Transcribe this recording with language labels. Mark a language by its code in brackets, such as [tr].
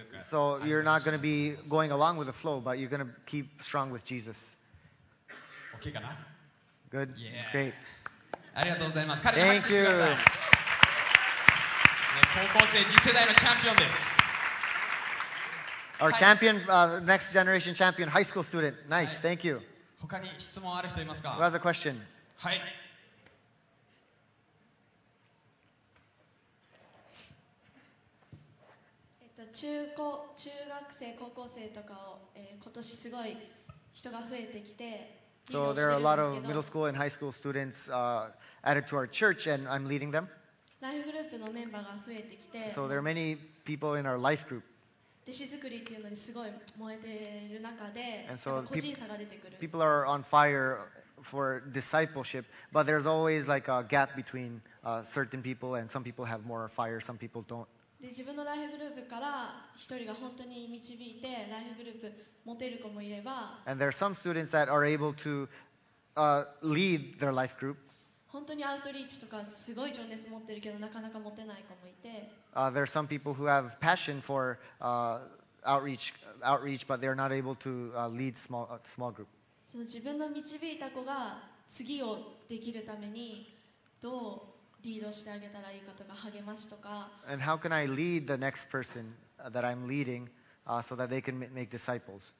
[en] So you're not going to be going along with the flow, but you're going to keep strong with Jesus. Okay, かな? Good? Yeah. Great. [ja] ありがとうございます。彼に拍手してください。 [en] Thank you. [ja] 高校生次世代のチャンピオンです。 [en] Our champion, next generation champion, high school student. Nice, thank you. Who has a question? Hi. So there are a lot of middle school and high school students added to our church, and I'm leading them. So there are many people in our life group. And so people are on fire for discipleship, but there's always like a gap between certain people, and some people have more fire, some people don't. [ja] で自分のライフグループから一人が本当に導いてライフグループ持てる子もいれば [en] And there are some students that are able to lead their life group. [ja] 本当にアウトリーチとかすごい情熱持ってるけどなかなか持てない子もいて [en] There are some people who have passion for outreach, but they are not able to lead small group. [ja] その自分の導いた子が次をできるためにどう [en] And how can I lead the next person that I'm leading so that they can make disciples?